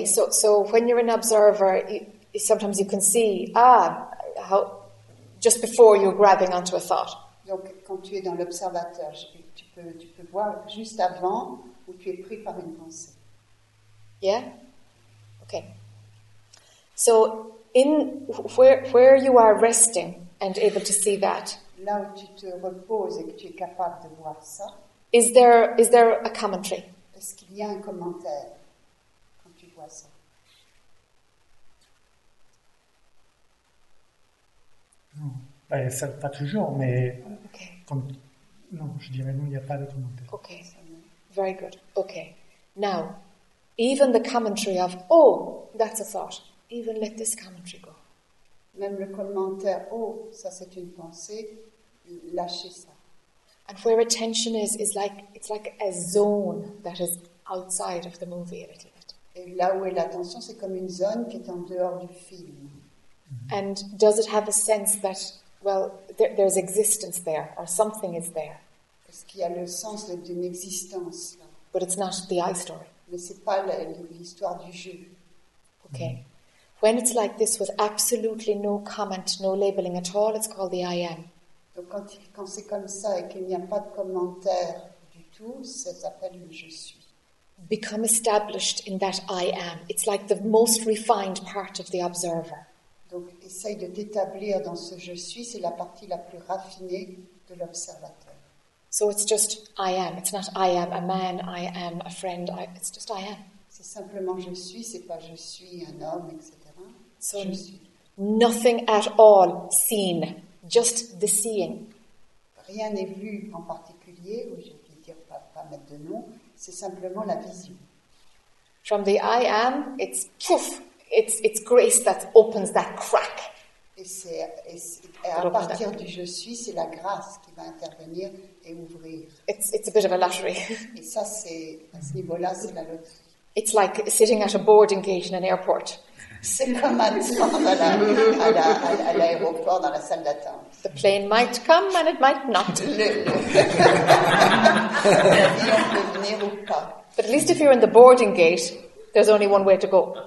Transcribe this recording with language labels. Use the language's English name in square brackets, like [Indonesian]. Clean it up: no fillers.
[English] So when you're an observer, sometimes you can see, how just before you're grabbing onto a thought. [French] Donc, quand tu es dans l'observateur, tu peux voir juste avant où tu es pris par une pensée. [English] Yeah? Okay. So. In where you are resting and able to see that. [French] Là où tu te reposes et que tu es capable de voir ça. [English] Is there a commentary? [French] Est-ce qu'il y a un commentaire quand tu vois ça? Non, ben, ça, pas toujours, mais [English] okay. [French] Quand, non, je dirais non, il n'y a pas de commentaire. [English] Okay, very good. Okay, now even the commentary of oh, that's a thought. Even let this commentary go. [French] Même le commentaire, oh, ça c'est une pensée, lâchez ça. [English] And where attention is like, it's like a zone that is outside of the movie a little bit. [French] Et là où est l'attention, c'est comme une zone qui est en dehors du film. Mm-hmm. [English] And does it have a sense that, well, there's existence there, or something is there? [French] Est-ce qu'il y a le sens d'une existence là? [English] But it's not the I story. [French] Mais c'est pas l'histoire du jeu. [English] Okay. When it's like this, with absolutely no comment, no labeling at all, it's called the I am. [French] Donc quand c'est comme ça et qu'il n'y a pas de commentaire du tout, ça s'appelle le je suis. [English] Become established in that I am. It's like the most refined part of the observer. [French] Donc essaye de t'établir dans ce je suis, c'est la partie la plus raffinée de l'observateur. [English] So it's just I am. It's not I am a man, I am a friend, it's just I am. [French] C'est simplement je suis, c'est pas je suis un homme, etc. [English] So [French] je suis. [English] Nothing at all seen, just the seeing. [French] Rien n'est vu en particulier, ou je vais dire pas mettre de nom, c'est simplement la vision. [English] From the I am, it's pouf, it's grace that opens that crack. [French] Et à partir du je suis, c'est la grâce qui va intervenir et ouvrir. [English] It's a bit of a lottery. [French] Et ça, c'est, à ce niveau-là, c'est la loterie. [English] It's like sitting at a boarding gate in an airport. [French] C'est comme attendre à l'aéroport dans la salle d'attente. [English] The plane might come and it might not. [French] L'avion peut venir ou pas. [English] But at least if you're in the boarding gate, there's only one way to go.